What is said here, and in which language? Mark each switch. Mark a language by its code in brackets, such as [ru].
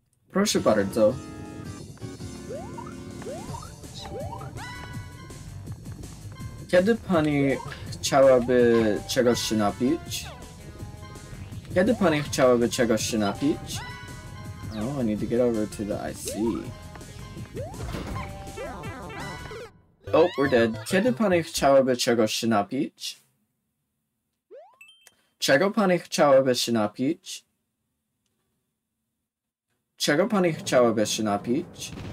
[pl] Proszę bardzo. Kiedy pani chciałaby czegoś się napić? Kiedy pani chciałaby czegoś się napić? [en] Oh, I need to get over to the IC. Oh, we're dead. [pl] Kiedy pani chciałaby czegoś się napić? Czego pani chciałaby się napić? Czego pani chciałaby się napić?